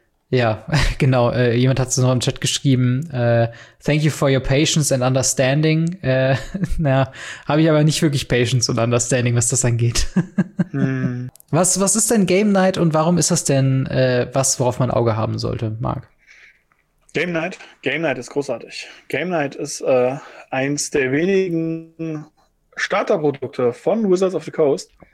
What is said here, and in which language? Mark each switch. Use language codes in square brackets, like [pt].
[de] Jemand hat es noch im Chat geschrieben. [en] Thank you for your patience and understanding. [de] Habe ich aber nicht wirklich Patience und Understanding, was das angeht. Was ist denn Game Night und warum ist das denn was, worauf man Auge haben sollte, Marc? Game Night ist großartig. Game Night ist eins der wenigen Starterprodukte von Wizards of the Coast.